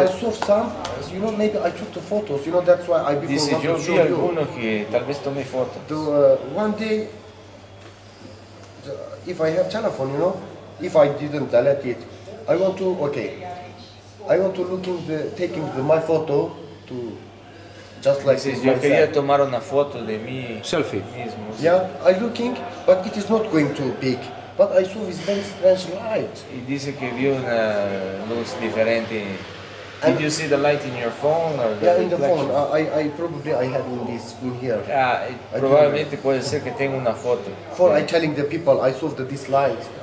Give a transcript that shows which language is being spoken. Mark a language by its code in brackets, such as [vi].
[en] I saw some, you know, maybe I took the photos, you know, that's why I... [es] Dice, yo vi alguno que tal vez tomé fotos. [en] One day... If I have telephone, you know, if I didn't delete it, I want to taking my photo to just like this. [es] Yo quería tomar una foto de mí. [en] Selfie. [es] Mismo. [en] Yeah, I'm looking, but it is not going too big. But I saw this very strange light. [es] Y dice que vio una luz diferente. [en] Did you see the light in your phone? Or yeah, in the phone. I probably have in this, in here. [es] Yeah, probablemente puede ser que tenga una foto. [en] For I'm telling the people, I saw this light.